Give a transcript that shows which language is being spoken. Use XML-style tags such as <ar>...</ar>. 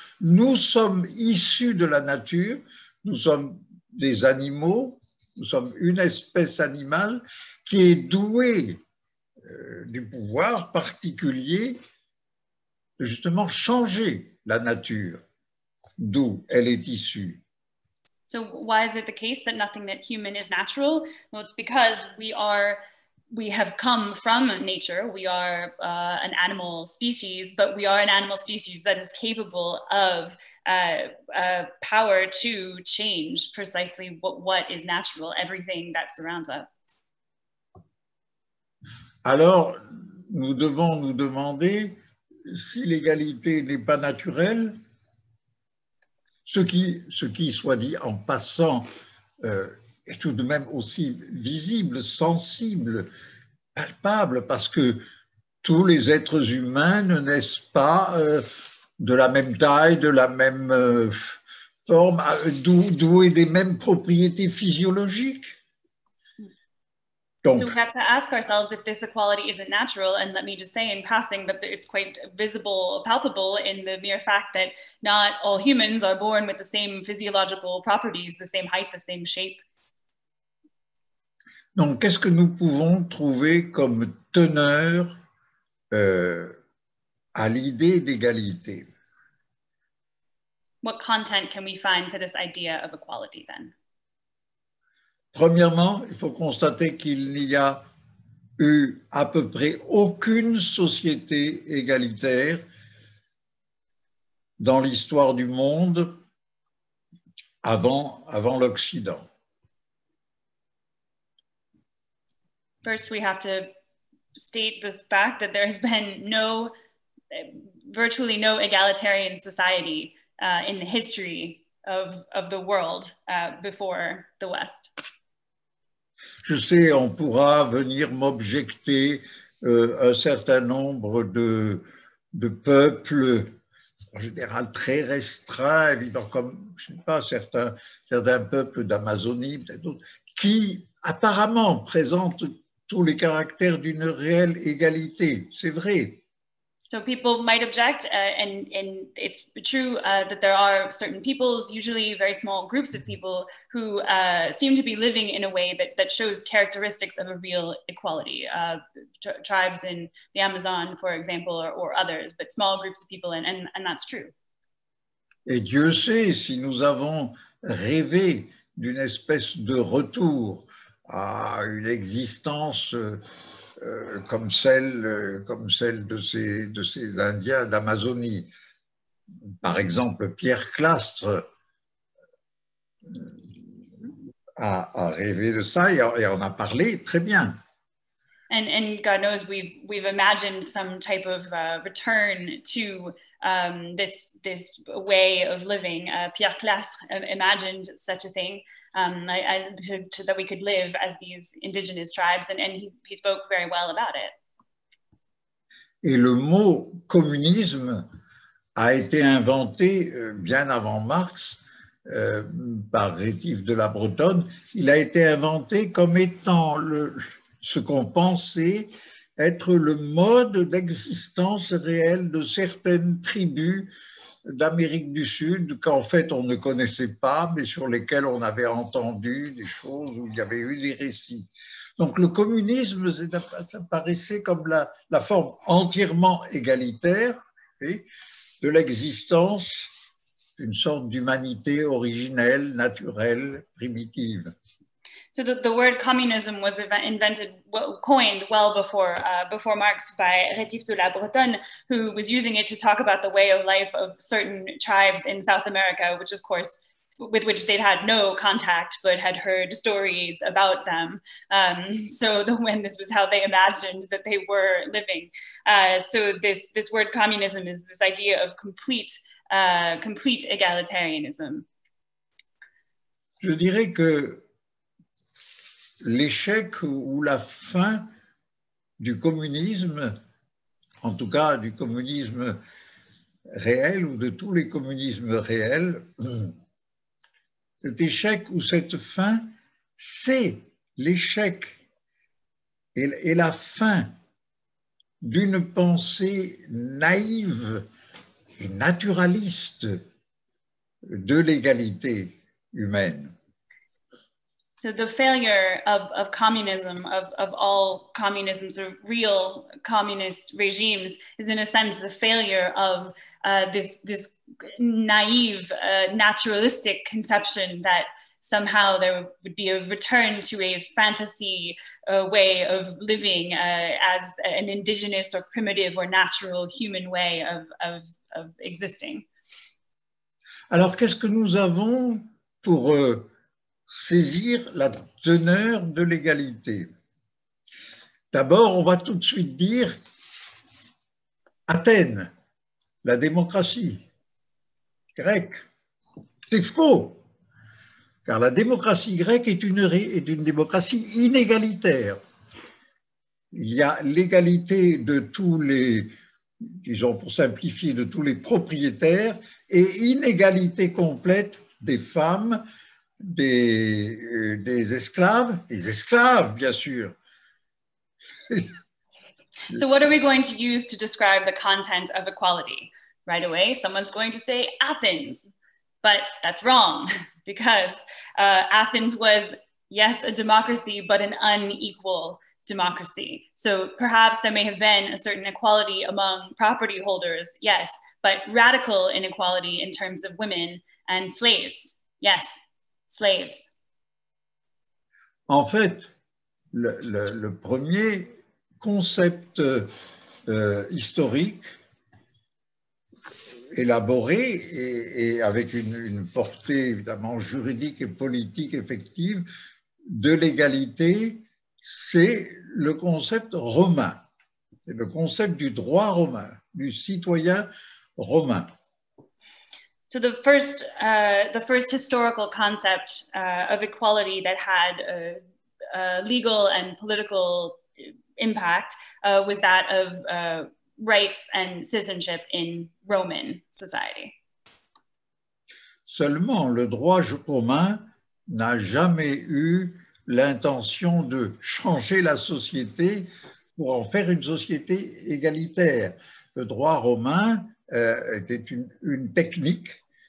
<fr>Nous sommes issus de la nature, nous sommes des animaux, nous sommes une espèce animale qui est douée du pouvoir particulier de justement changer la nature d'où elle est issue.</fr> <en>So why is it the case that nothing that human is natural? Well, it's because we have come from nature. We are an animal species, but we are an animal species that is capable of power to change precisely what is natural, everything that surrounds us.</en> <fr>Alors, nous devons nous demander si l'égalité n'est pas naturelle. Ce qui soit dit en passant, est tout de même aussi visible, sensible, palpable, parce que tous les êtres humains ne naissent pas de la même taille, de la même forme, doués des mêmes propriétés physiologiques.</fr> <en>Donc, so we have to ask ourselves if this equality isn't natural, and let me just say in passing that it's quite visible, palpable in the mere fact that not all humans are born with the same physiological properties, the same height, the same shape.</en> <fr>Donc, qu'est-ce que nous pouvons trouver comme teneur à l'idée d'égalité?</fr> <en>What content can we find for this idea of equality then?</en> <fr>Premièrement, il faut constater qu'il n'y a eu à peu près aucune société égalitaire dans l'histoire du monde avant l'Occident.</fr> <en>First, we have to state this fact that there has been no, virtually no egalitarian society in the history of the world before the West.</en> <fr>Je sais, on pourra venir m'objecter un certain nombre de peuples, en général très restreints, évidemment, comme, je ne sais pas, certains peuples d'Amazonie, peut-être d'autres, qui apparemment présentent tous les caractères d'une réelle égalité. C'est vrai.</fr> <en>So people might object, and it's true that there are certain peoples, usually very small groups of people, who seem to be living in a way that shows characteristics of a real equality. Tribes in the Amazon, for example, or others, but small groups of people, and that's true.</en> <fr>Et Dieu sait si nous avons rêvé d'une espèce de retour à une existence comme celle de ces Indiens d'Amazonie. Par exemple, Pierre Clastre a rêvé de ça et en a parlé très bien.</fr> <en>And God knows we've imagined some type of return to this way of living. Pierre Clastre imagined such a thing. That we could live as these indigenous tribes, and he spoke very well about it.</en> <fr>Et le mot communisme a été inventé bien avant Marx par Rétif de la Bretonne. Il a été inventé comme étant ce qu'on pensait être le mode d'existence réel de certaines tribus d'Amérique du Sud, qu'en fait on ne connaissait pas, mais sur lesquels on avait entendu des choses où il y avait eu des récits. Donc le communisme, ça paraissait comme la forme entièrement égalitaire, et de l'existence d'une sorte d'humanité originelle, naturelle, primitive.</fr> <en>So the word communism was coined well before Marx by Rétif de la Bretonne, who was using it to talk about the way of life of certain tribes in South America, which of course, with which they'd had no contact, but had heard stories about them. When this was how they imagined that they were living. So this word communism is this idea of complete egalitarianism.</en> <fr>Je dirais que l'échec ou la fin du communisme, en tout cas du communisme réel ou de tous les communismes réels, cet échec ou cette fin, c'est l'échec et la fin d'une pensée naïve et naturaliste de l'égalité humaine.</fr> <en>So the failure of communism, of all communisms or real communist regimes, is in a sense the failure of this naive, naturalistic conception that somehow there would be a return to a fantasy way of living as an indigenous or primitive or natural human way of existing.</en> <fr>Alors, qu'est-ce que nous avons pour saisir la teneur de l'égalité? D'abord, on va tout de suite dire Athènes, la démocratie grecque. C'est faux, car la démocratie grecque est une démocratie inégalitaire. Il y a l'égalité de tous les, disons pour simplifier, de tous les propriétaires et inégalité complète des femmes, des esclaves, bien sûr.</fr> <en>So what are we going to use to describe the content of equality? Right away, someone's going to say Athens, but that's wrong, because Athens was, yes, a democracy, but an unequal democracy. So perhaps there may have been a certain equality among property holders, yes, but radical inequality in terms of women and slaves, yes. Slaves.</en> <fr>En fait, le premier concept historique élaboré et avec une portée évidemment juridique et politique effective de l'égalité, c'est le concept romain, c'est le concept du droit romain, du citoyen romain.</fr> <en>So the first historical concept of equality that had a legal and political impact was that of rights and citizenship in Roman society.</en> <fr>Seulement, le droit romain n'a jamais eu l'intention de changer la société pour en faire une société égalitaire. Le droit romain était une technique.</fr>